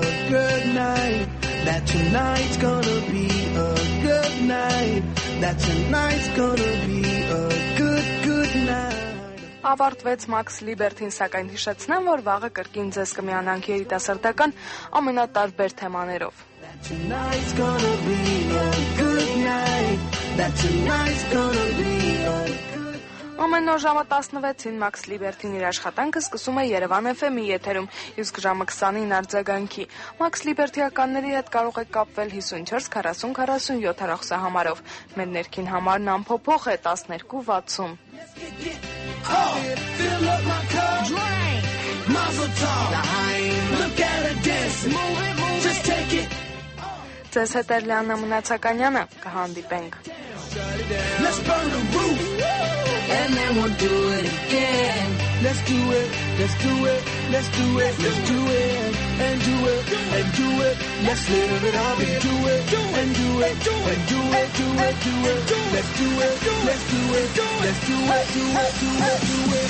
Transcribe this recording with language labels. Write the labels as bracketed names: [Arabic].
[English] Tonight's gonna be a good night. That tonight's gonna be a good, good night. [Armenian] Ավարտվեց Մաքս Լիբերտին, սակայն հիշեցնեմ, որ վաղը կրկին ձեզ կմիանանք երիտասարդական ամենատարբեր թեմաներով։ Ամեն օր ժամը 16-ին Մաքս Լիբերտին իր աշխատանքը սկսում է Երևան FM-ի եթերում, իսկ ժամը 20-ին արձագանքի։ Մաքս Լիբերտիականների հետ կարող եք կապվել 54-40-47 հեռախոսահամարով։ Մեր ներքին համարն ամփոփող է 1260։ Ձեզ հետ է Լիաննա Մնացականյանը, կհանդիպենք։ [English] Let's burn the roof, and then we'll do it again. Let's do it, let's do it, let's do it, let's do it, and do it, and do it. Let's live it up and do it, and do it, and do it, do it, do it. Let's do it, let's do it, let's do it, do it, do it, do it.